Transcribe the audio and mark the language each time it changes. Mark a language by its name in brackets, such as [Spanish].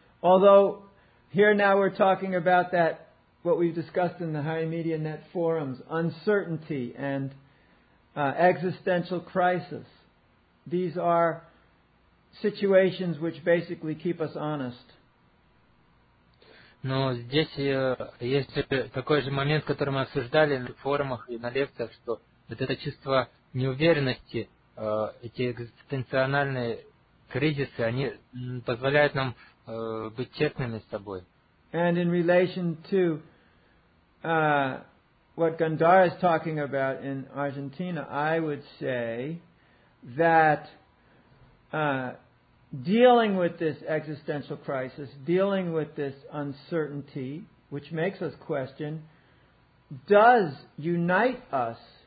[English] Although here now we're talking about that, what we've discussed in the High Media Net forums, uncertainty and existential crisis. These are situations which basically keep us honest. [Russian] Но здесь есть такой же момент, который мы обсуждали на форумах и на лекциях, что вот это чувство неуверенности, эти экзистенциональные кризисы, они позволяют нам быть честными с собой. [English] And in relation to what Gandhara is talking about in Argentina, I would say that dealing with this existential crisis, dealing with this uncertainty, which makes us question, does unite us.